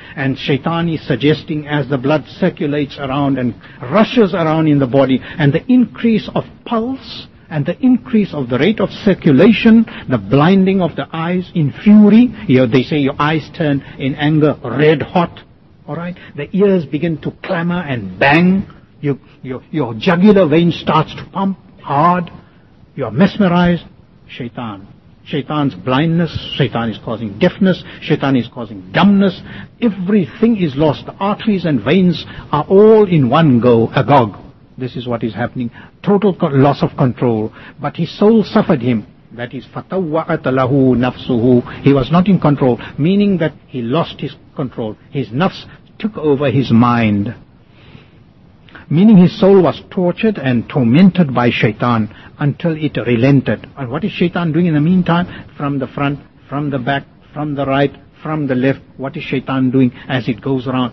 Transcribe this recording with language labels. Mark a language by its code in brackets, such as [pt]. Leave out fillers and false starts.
[en] And Shaitan is suggesting, as the blood circulates around and rushes around in the body, and the increase of pulse and the increase of the rate of circulation, the blinding of the eyes in fury, they say your eyes turn in anger red hot, alright, the ears begin to clamor and bang, your jugular vein starts to pump hard, you are mesmerized. Shaitan. Shaitan's blindness, Shaitan is causing deafness, Shaitan is causing dumbness. Everything is lost. The arteries and veins are all in one go, agog. This is what is happening. Total loss of control. But his soul suffered him. That is, [ar] فَتَوَّعَتَ لَهُ نَفْسُهُ. [en] He was not in control, meaning that he lost his control. His nafs took over his mind. Meaning his soul was tortured and tormented by Shaitan until it relented. And what is Shaitan doing in the meantime? From the front, from the back, from the right, from the left, what is Shaitan doing as it goes around?